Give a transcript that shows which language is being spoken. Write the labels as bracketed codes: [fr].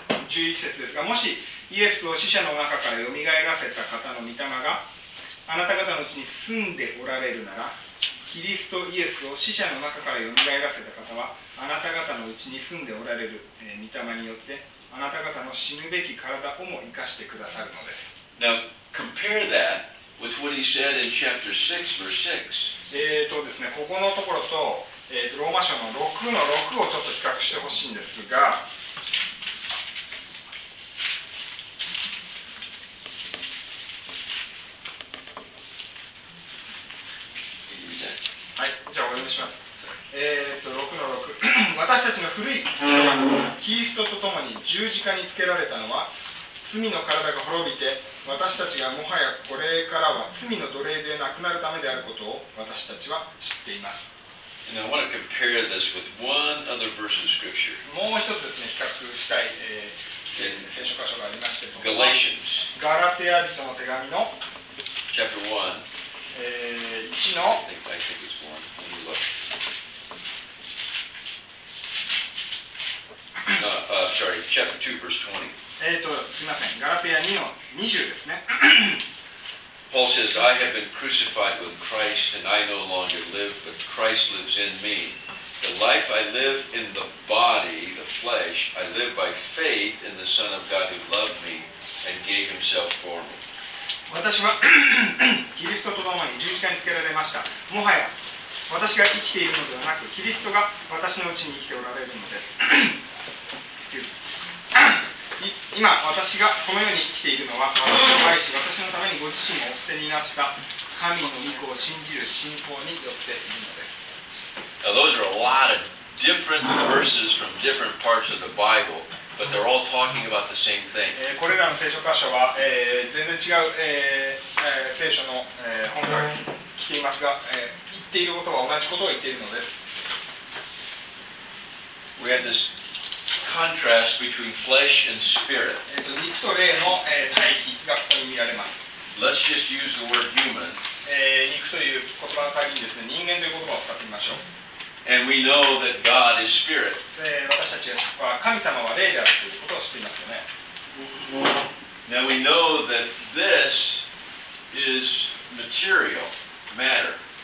[ja] 11節ですが、もしイエスを死者の中からよみがえらせた方の御霊があなた方のうちに住んでおられるなら、キリストイエスを死者の中からよみがえらせた方はあなた方のうちに住んでおられる御霊によってあなた方の死ぬべき体をも生かしてくださるのです。 [en] Now compare that with what he said in chapter 6 verse 6. [ja] ですね、ここのところとローマ書の6の6をちょっと比較してほしいんですが、はい、じゃあお読みします。 6の6 私たちの古い人がキリストと共に十字架につけられたのは罪の体が滅びて私たちがもはやこれからは罪の奴隷でなくなるためであることを私たちは知っています。 [en] And I want to compare this with one other verse of scripture. [ja] もう一つですね、比較したい、聖書箇所がありまして、その Galatians. ガラテヤ人の手紙の [en] Chapter [ja] 1. 1の [en] I think it's 1. Let me look. Sorry, Chapter 2, verse 20. すみません、ガラテヤ2の20ですね。 Paul says, I have been crucified with Christ, and I no longer live, but Christ lives in me. The life I live in the body, the flesh, I live by faith in the Son of God who loved me and gave himself for me. [ja] 私はキリストと共に十字架につけられました。もはや私が生きているのではなく、キリストが私のうちに生きておられるのです。今私がこのように生きているのは私を愛し私のためにご自身をお捨てになった神の御子を信じる信仰によっているのです。 [en] Now those are a lot of different verses from different parts of the Bible, but they're all talking about the same thing. [ja] これらの聖書箇所は、全然違う、聖書の、本から来ていますが、言っていることは同じことを言っているのです。 [en] We had thisContrast between flesh and spirit. [ja] 肉と霊の、対比がここに見られます。 [en] Let's just use the word human. [ja] 肉という言葉の対比にですね、人間という言葉を使ってみましょう。 [en] And we know that God is spirit. [ja] 私たちは神様は霊であるということを知っていますよね。 [en] Now we know that this is material, matter.